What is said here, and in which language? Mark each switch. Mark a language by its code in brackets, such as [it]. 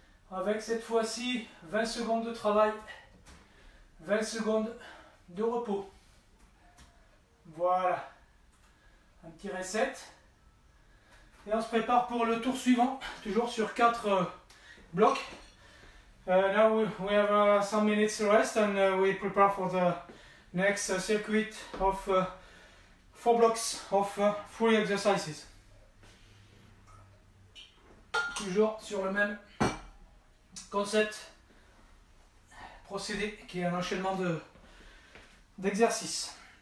[fr] Avec cette fois-ci 20 secondes de travail, 20 secondes de repos. Voilà. Un petit reset. Et on se prépare pour le tour suivant, toujours sur 4 blocs. [en] Now we have some minutes rest and we prepare for the next circuit of 4 blocks of 3 exercises. [fr] Toujours sur le même concept, procédé qui est un enchaînement d'exercices.